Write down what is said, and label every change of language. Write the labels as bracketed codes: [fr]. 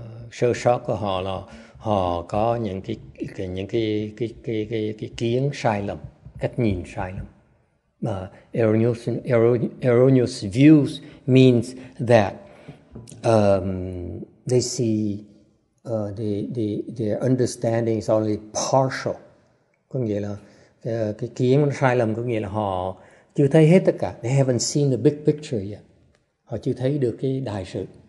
[vi] Sơ sót của họ là họ có những cái kiến sai lầm, cách nhìn sai lầm. [en] Erroneous views means that they see their understanding is only partial. [vi] Có nghĩa là cái kiến sai lầm có nghĩa là họ chưa thấy hết tất cả. [en] They haven't seen the big picture yet. [vi] Họ chưa thấy được cái đại sự.